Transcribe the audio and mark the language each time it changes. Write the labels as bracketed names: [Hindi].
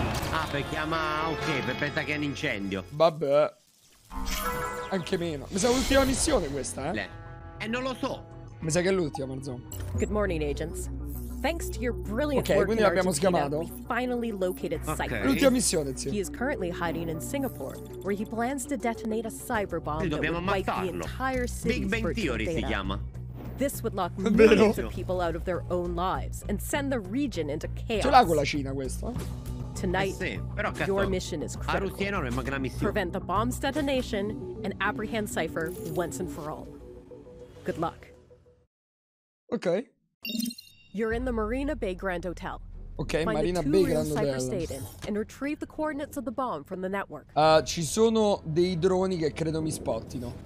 [Italian] Ah, perché ama. Ok, per pensare che è un incendio. Vabbè. Anche meno. Mi sa l'ultima missione questa, eh? Non lo so. Mi sa che è l'ultima, Marzo. [English] Good morning, agents. Thanks to your brilliant work, [Italian] quindi l'abbiamo schiamato. [English] Finally located Cypher. [Italian] L'ultima missione, zio. [English] He is currently hiding in Singapore, where he plans to detonate a cyber bomb that would wipe the entire city's Big Bang Theory data. [Italian] Si chiama. [English] This would lock millions of people out of their own lives and send the region into chaos. [Italian] Ce l'ha con la Cina questo? [English] Tonight, [Italian] sì, però, cazzo, [English] your mission is critical. Prevent the bomb's detonation and apprehend Cypher once and for all. Good luck. Ok. You're in the Marina Bay Grand Hotel. Okay, find Marina Bay Grand Hotel. And retrieve the coordinates of the bomb from the network. [Italian] Ci sono dei droni che credo mi spottino.